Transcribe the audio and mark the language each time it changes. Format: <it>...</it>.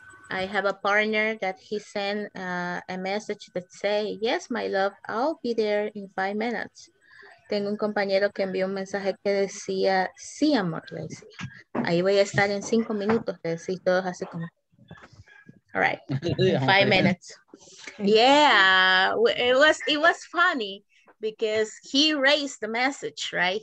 <en>I have a partner that he sent a message that say, yes, my love, I'll be there in 5 minutes.</en> <es>Tengo un compañero que envió un mensaje que decía, sí, amor, le decía. Ahí voy a estar en 5 minutos, le decía, todos así como.</es> <en>All right, 5 minutes. Yeah, it was funny because he erased the message, right?</en>